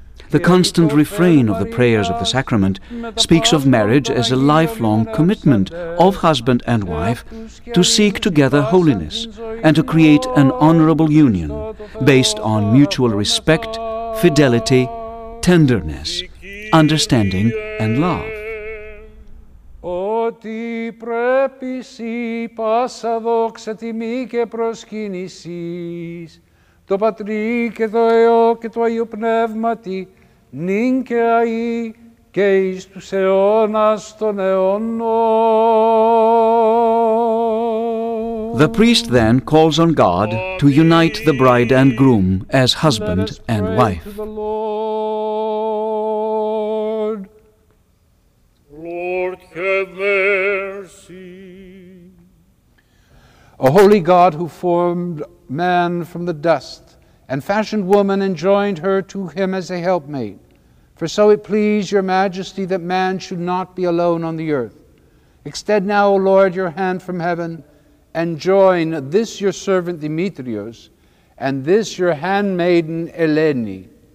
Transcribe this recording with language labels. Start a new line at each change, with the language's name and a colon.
English: The constant refrain of the prayers of the sacrament speaks of marriage as a lifelong commitment of husband and wife to seek together holiness and to create an honorable union based on mutual respect, fidelity, tenderness, understanding, and love.
Greek: Ότι πρέπει σι πάσα δόξα τιμή και προσκύνησις το Πατρί και το Υιό και το Αγίο Πνεύματι νυν και αΐ και εις τους αιώνας των αιώνων.
English: The priest then calls on God to unite the bride and groom as husband and wife. Lord, have mercy. O holy God, who formed man from the dust and fashioned woman and joined her to him as a helpmate, for so it pleased your majesty that man should not be alone on the earth, extend now, O Lord, your hand from heaven and join this your servant Demetrios and this your handmaiden Eleni.